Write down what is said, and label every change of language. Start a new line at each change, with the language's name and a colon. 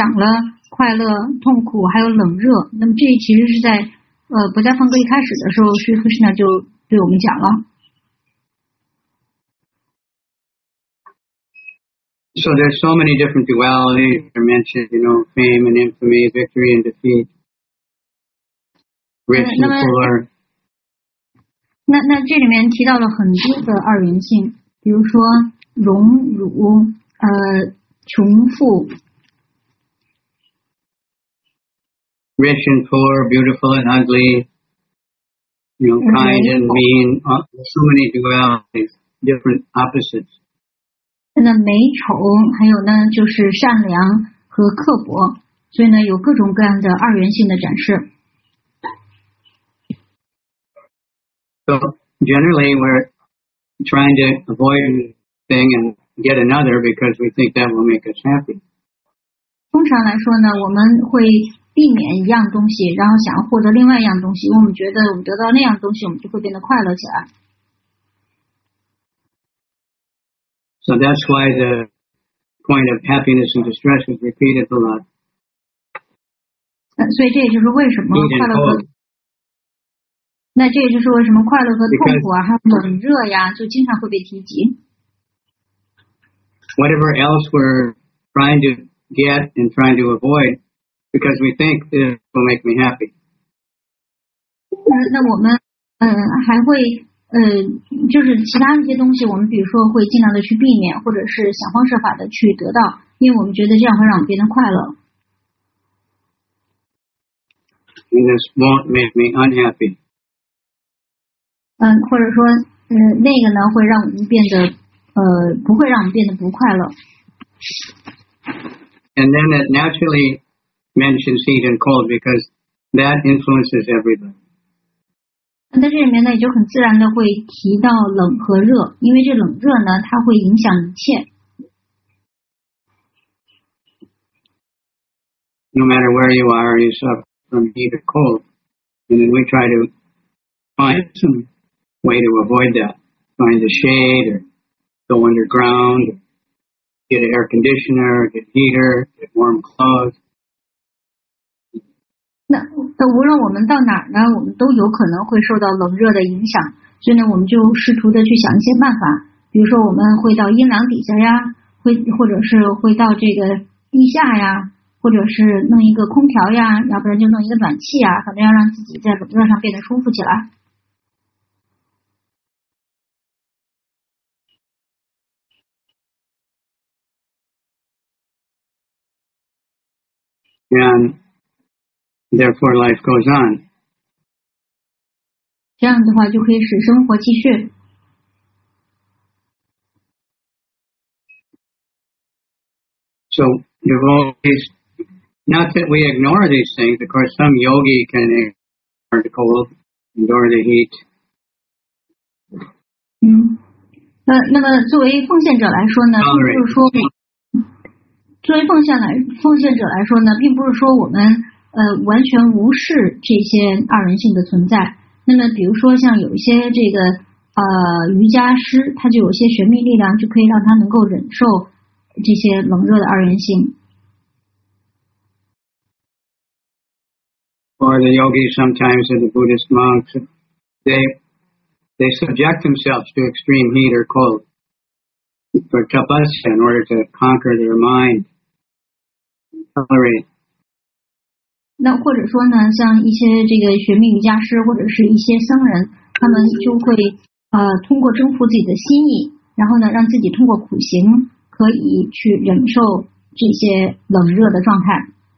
Chinese: So,快乐、痛苦还有冷热，那么这其实是在不在放歌一开始的时候，师父现在就对我们讲了。
English: So there's so many different dualities are mentioned, fame and infamy, victory and defeat, rich and poor.
Chinese: 那这里面提到了很多的二元性，比如说荣辱、穷富。
English: Rich and poor, beautiful and ugly, kind and mean, so many dualities, different opposites.
Chinese: 那美丑，还有呢，就是善良和刻薄，所以呢，有各种各样的二元性的展示。
English: So generally, we're trying to avoid one thing and get another because we think that will make us happy.
Chinese: 通常来说呢，我们会避免一样东西，然后想要获得另外一样东西，因为我们觉得我们得到那样东西，我们就会变得快乐起来。
English: So that's why the point of happiness and distress is repeated a lot.
Chinese: 所以这也就是为什么快乐和痛苦啊，还有冷热呀，就经常会被提及。
English: Whatever else we're trying to get and trying to avoid. Because we think it will make me happy.
Chinese: 那我们还会就是其他一些东西我们比如说会尽量的去避免或者是想方设法的去得到，因为我们觉得这样会让我们变得快乐。
English: This won't make me unhappy.
Chinese: 或者说那个呢会让我们变得不会让我们变得不快乐。
English: And then it naturally mentions heat and cold because that influences everybody.
Chinese: 在这里面呢也就很自然的会提到冷和热，因为这冷热呢它会影响一切。
English: No matter where you are, you suffer from heat or cold. And then we try to find some way to avoid that. Find the shade or go underground, get an air conditioner, get a heater, get warm clothes.
Chinese: 那无论我们到哪儿呢，我们都有可能会受到冷热的影响，所以呢，我们就试图的去想一些办法，比如说我们会到阴凉底下呀，或者是会到这个地下呀，或者是弄一个空调呀，要不然就弄一个暖气啊，反正要让自己在冷热上变得舒服起来。
English: Yeah. Therefore, life goes on.
Chinese: 这样的话就可以使生活继续。
English: So, devotees, not that we ignore these things, of course, some yogi can ignore the cold, ignore the heat.
Chinese: 那么作为奉献者来说呢，就是说，作为奉献者来说呢，并不是说我们完全无视这些二元性的存在。那么比如说像有一些这个瑜伽师，他就有些神秘力量就可以让他能够忍受这些冷热的二元性。
English: Or the yogis sometimes and the Buddhist monks, they subject themselves to extreme heat or cold for tapasya in order to conquer their mind. Tolerate.
Chinese: 那或者说呢，像一些这个学命瑜伽师或者是一些僧人，他们就会通过征服自己的心意，然后呢让自己通过苦行可以去忍受这些冷热的状态。